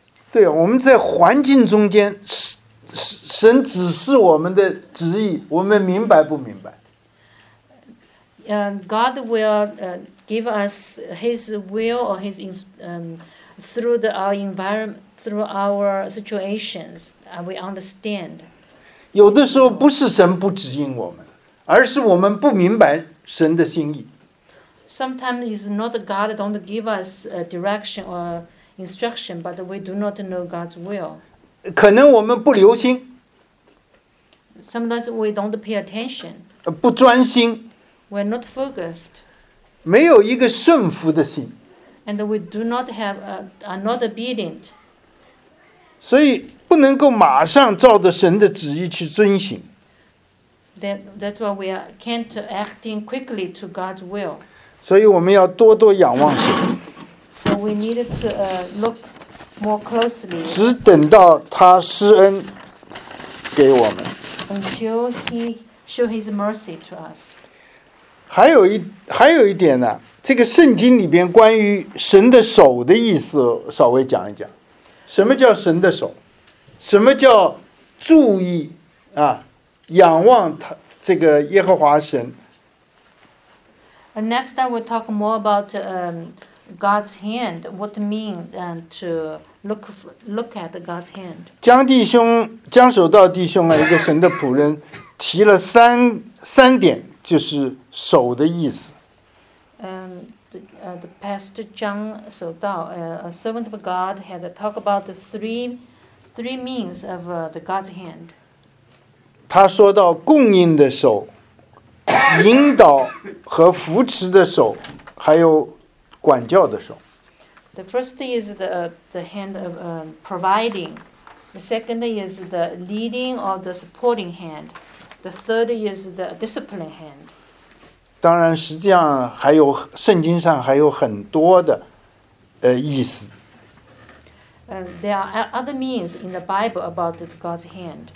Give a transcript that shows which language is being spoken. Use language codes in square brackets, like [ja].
[zh] 对，我们在环境中间，神指示我们的旨意，我们明白不明白？ [en] God will give us His will or His through the our environment, through our situations. We understand. [zh] 有的时候不是神不指引我们，而是我们不明白神的心意。 [en] Sometimes it's not God don't give us a direction or. Instruction, but we do not know God's will. [zh] 可能我们不留心。 [en] Sometimes we don't pay attention. [zh] 不专心。 [en] We're not focused. [zh] 没有一个顺服的心。 [en] And we do not have are not obedient. [zh] 所以不能够马上照着神的旨意去遵行。 [en] That's why we can't acting quickly to God's will. [zh] 所以我们要多多仰望神。 [en] So we need to look more closely. [zh] 只等到他施恩给我们。 [en] Until he show his mercy to us. [zh] 还有一点呢，这个圣经里边关于神的手的意思，稍微讲一讲。什么叫神的手？什么叫注意啊？仰望他这个耶和华神。 [en] And next time we'll talk more about God's hand, what mean and to look at God's hand. [zh] 江守道弟兄啊，一个神的仆人，提了三点，就是手的意思。 [en] The pastor 江守道 a servant of God, had talked about the three means of the God's hand. [zh] 他说到供应的手，引导和扶持的手，还有。管教的手。 [en] The first is the hand of providing. The second is the leading or the supporting hand. The third is the discipline hand. [zh] 当然，实际上还有圣经上还有很多的意思。 [en] There are other means in the Bible about God's hand.